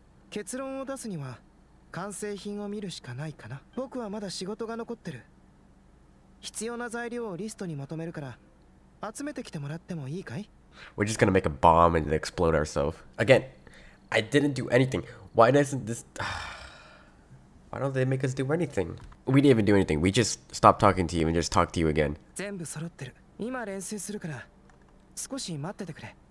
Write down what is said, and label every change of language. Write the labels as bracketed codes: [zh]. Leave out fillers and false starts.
[ja] 結論を出すには完成品を見るしかないかな。僕はまだ仕事が残ってる。必要な材料をリストにまとめるから集めてきてもらってもいいかい。 [en] We're just gonna make a bomb and explode ourselves. Again, I didn't do anything. Why doesn't this... Why don't they make us do anything? We didn't even do anything. We just stopped talking to you and just talked to you again. [ja] 全部揃ってる。今練習するから少し待っててくれ。